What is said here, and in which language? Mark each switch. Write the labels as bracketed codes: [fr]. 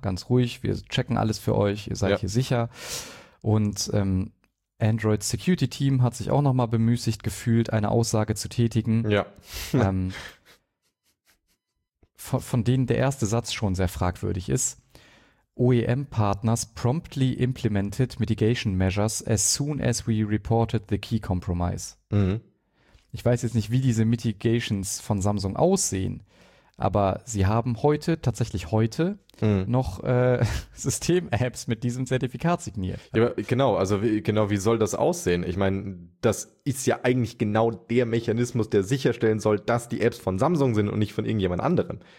[de] Ganz ruhig, wir checken alles für euch, ihr seid hier sicher. Und Android Security Team hat sich auch nochmal bemüßigt gefühlt, eine Aussage zu tätigen. Ja. Von denen der erste Satz schon sehr fragwürdig ist. [en] OEM Partners promptly implemented mitigation measures as soon as we reported the key compromise. [de] Ich weiß jetzt nicht, wie diese Mitigations von Samsung aussehen, aber sie haben heute, tatsächlich heute, noch System-Apps mit diesem Zertifikat signiert. Ja, genau, also wie soll das aussehen? Ich meine, das ist ja eigentlich genau der Mechanismus, der sicherstellen soll, dass die Apps von Samsung sind und nicht von irgendjemand anderem.